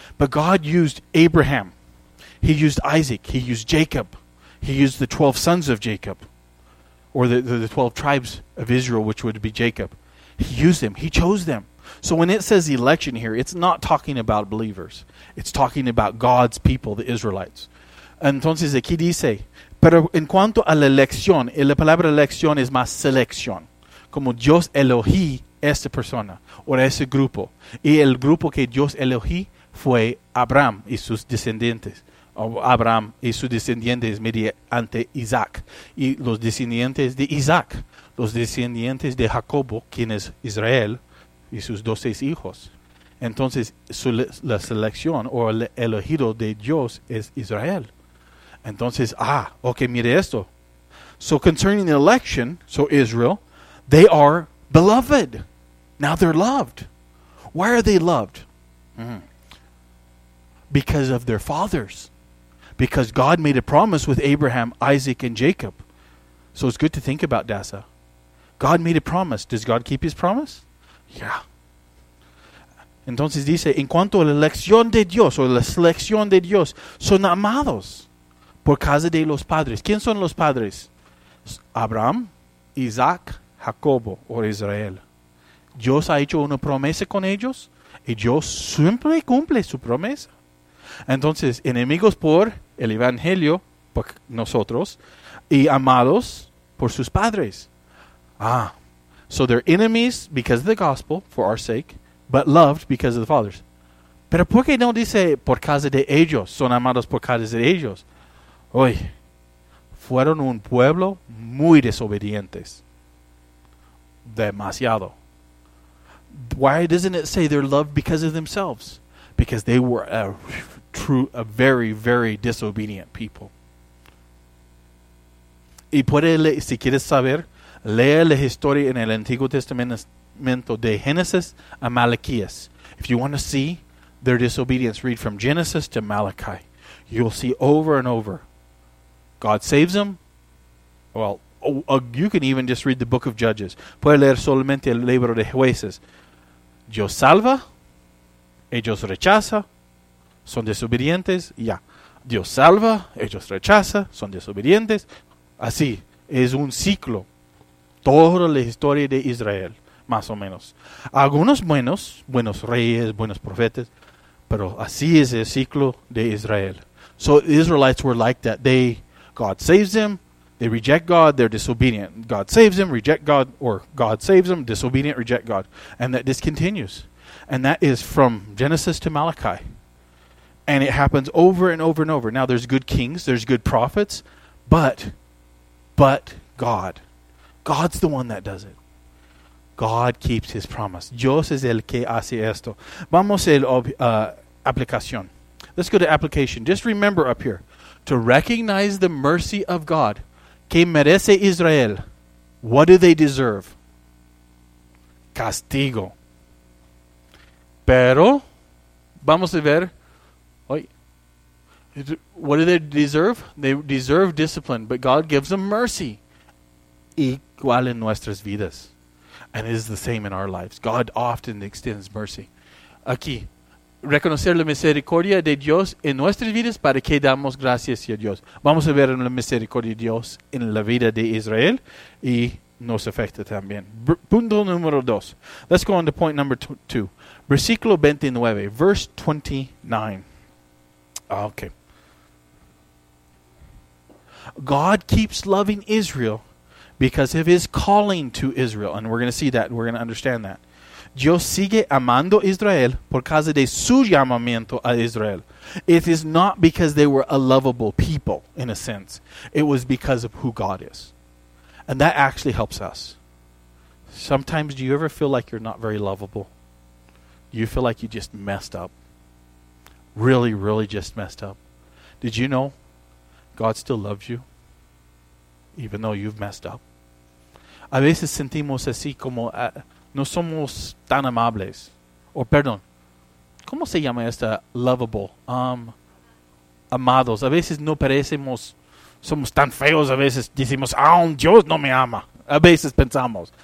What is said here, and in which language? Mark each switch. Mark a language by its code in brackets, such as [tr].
[en] But God used Abraham. He used Isaac. He used Jacob. He used the 12 sons of Jacob. or the 12 tribes of Israel, which would be Jacob. He used them. He chose them. So when it says election here, it's not talking about believers. It's talking about God's people, the Israelites. [es] Entonces aquí dice, pero en cuanto a la elección, la palabra elección es más selección. Como Dios elogí esta persona o ese grupo. Y el grupo que Dios elogí fue Abraham y sus descendientes. Abraham y sus descendientes mediante Isaac. Y los descendientes de Isaac, los descendientes de Jacobo, quien es Israel, y sus 12 hijos. Entonces, la selección o el elegido de Dios es Israel. Entonces, mire esto. [en] So concerning the election, so Israel, they are beloved. Now they're loved. Why are they loved? Because of their fathers. Because God made a promise with Abraham, Isaac, and Jacob. So it's good to think about Dasa. God made a promise. Does God keep his promise? Yeah. [es] Entonces dice, en cuanto a la elección de Dios, o la selección de Dios, son amados por causa de los padres. ¿Quién son los padres? Abraham, Isaac, Jacobo, o Israel. Dios ha hecho una promesa con ellos, y Dios siempre cumple su promesa. Entonces, enemigos por el Evangelio, por nosotros, y amados por sus padres. [en] So they're enemies because of the gospel, for our sake, but loved because of the fathers. [es] Pero ¿por qué no dice por causa de ellos? Son amados por causa de ellos. Oye, fueron un pueblo muy desobedientes. Demasiado. [en] Why doesn't it say they're loved because of themselves? Because they were a very, very disobedient people. [es] Y puede leer, si quieres saber, lea la historia en el Antiguo Testamento de Génesis a Malaquías. [en] If you want to see their disobedience, read from Genesis to Malachi. You'll see over and over. God saves them. Well, you can even just read the book of Judges. [es] Puede leer solamente el libro de Jueces. Dios salva, ellos rechaza, son desobedientes, ya. Dios salva, ellos rechaza, son desobedientes. Así, es un ciclo. Toda la historia de Israel, más o menos. Algunos buenos reyes, buenos profetas, pero así es el ciclo de Israel. [en] So the Israelites were like that. God saves them, they reject God, they're disobedient. God saves them, reject God, or God saves them, disobedient, reject God. And that this continues. And that is from Genesis to Malachi. And it happens over and over and over. Now there's good kings, there's good prophets, but God. God's the one that does it. God keeps his promise. [es] Dios es el que hace esto. Vamos a la aplicación. [en] Let's go to application. Just remember up here, to recognize the mercy of God. [es] ¿Qué merece Israel? [en] What do they deserve? [es] Castigo. Pero, vamos a ver. [en] What do they deserve? They deserve discipline, but God gives them mercy. [es] Igual en nuestras vidas. [en] And it is the same in our lives. God often extends mercy. [es] Aquí, reconocer la misericordia de Dios en nuestras vidas para que damos gracias a Dios. Vamos a ver la misericordia de Dios en la vida de Israel y nos afecta también. Punto número dos. [en] Let's go on to point number two. [es] Versículo 29, [en] verse 29. Okay. God keeps loving Israel because of his calling to Israel. And we're going to see that. We're going to understand that. [es] Dios sigue amando Israel por causa de su llamamiento a Israel. [en] It is not because they were a lovable people, in a sense. It was because of who God is. And that actually helps us. Sometimes, do you ever feel like you're not very lovable? Do you feel like you just messed up? Really, really just messed up? Did you know God still loves you, even though you've messed up? [es] A veces sentimos así como no somos tan amables. Or, perdón, ¿cómo se llama esta lovable? Amados. A veces no parecemos, somos tan feos. A veces decimos, Dios no me ama. A veces pensamos.